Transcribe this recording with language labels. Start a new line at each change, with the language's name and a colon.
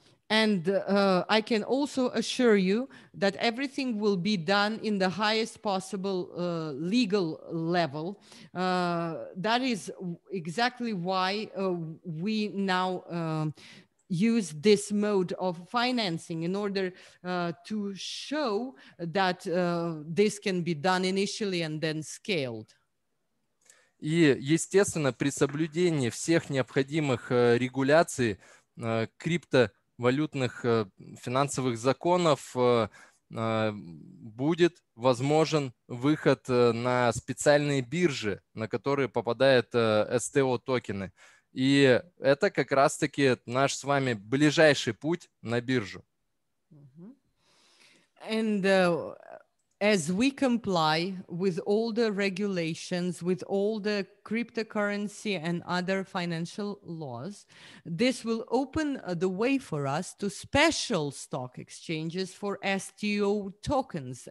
English: And I can also assure you that everything will be done in the highest possible legal level. That is exactly why we now use this mode of financing in order to show that this can be done initially and then scaled.
Russian: И, естественно, при соблюдении всех необходимых регуляций крипто валютных финансовых законов будет возможен выход на специальные биржи, на которые попадают СТО токены. И это как раз-таки наш с вами ближайший путь на биржу.
English: And As we comply with all the regulations, with all the cryptocurrency and other financial laws, this will open the way for us to special stock exchanges for STO tokens.